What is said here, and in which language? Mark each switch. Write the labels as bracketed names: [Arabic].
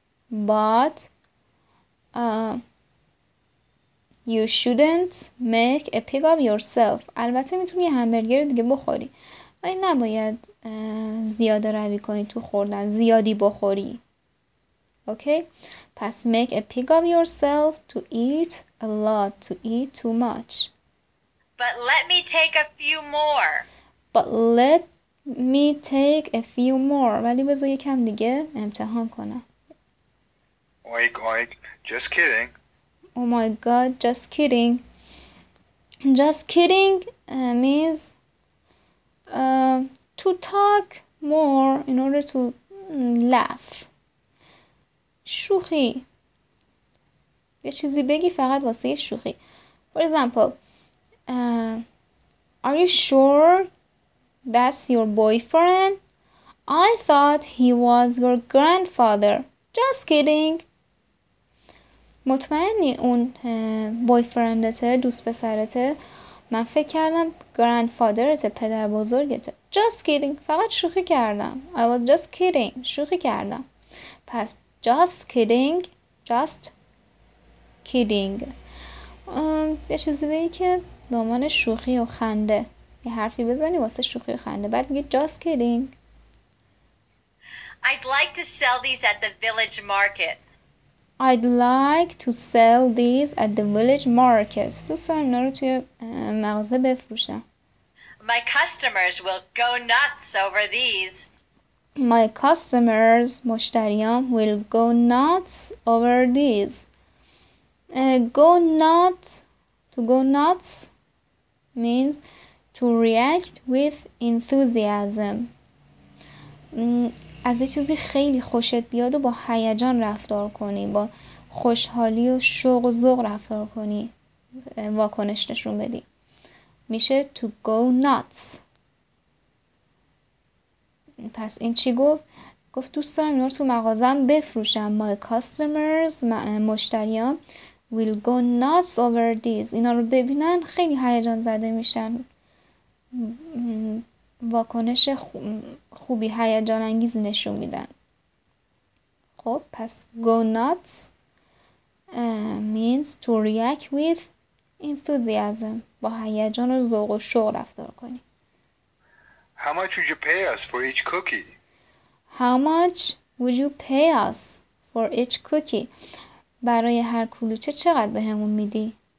[English] But you shouldn't make a pig of yourself. [Persian] البته میتونی همبرگر دیگه بخوری. ولی نباید زیاده روی کنی تو خوردن. زیادی بخوری. [English] Okay? [Persian] پس [English] make a pig of yourself to eat a lot. To eat too much. But let me take a few more. But let me take a few more. [Persian] ولی بذار یکم دیگه امتحان کنم. [English] Oink, oink. Just kidding. Oh my god, just kidding. Just kidding means to talk more in order to laugh. [Persian] شوخی. یه چیزی بگی فقط واسه یه شوخی. [English] For example, are you sure that's your boyfriend? I thought he was your grandfather. Just kidding. [Persian] مطمئنی اون بویفرندته، دوست پسرته؟ من فکر کردم گراندفادرته، پدر بزرگته. [English] Just kidding. [Persian] فقط شوخی کردم. [English] I was just kidding. [Persian] شوخی کردم. پس [English] just kidding. Just kidding. [Persian] یه چیزی بگی که به عنوان شوخی و خنده. یه حرفی بزنی واسه شوخی و خنده. بعد میگی [English] just kidding. I'd like to sell these at the village market. I'd like to sell these at the village market. [Persian] دوست دارم اینا رو توی مغازه بفروشم. [English] My customers will go nuts over these. My customers, [Persian] مشتریام, [English] will go nuts over this. To go nuts means to react with enthusiasm. [Persian] از چیزی خیلی خوشت بیاد و با هیجان رفتار کنی، با خوشحالی و شوق و ذوق رفتار کنی، واکنش نشون بدی. میشه [English] to go nuts. [Persian] پس این چی گفت؟ گفت دوست دارم اینا رو تو مغازم بفروشم. [English] My customers، [Persian] مشتریام، [English] will go nuts over this. [Persian] اینا رو ببینن خیلی هیجان زده میشن. واکنش خوبی، هیجان انگیز نشون میدن. خب پس [English] go nuts means to react with enthusiasm، [Persian] با هیجان و ذوق و شوق رفتار کنی. [English] How much would you pay us for each cookie? How much would you pay us for each cookie? [Persian] برای هر کلوچه چقدر بهمون میدی؟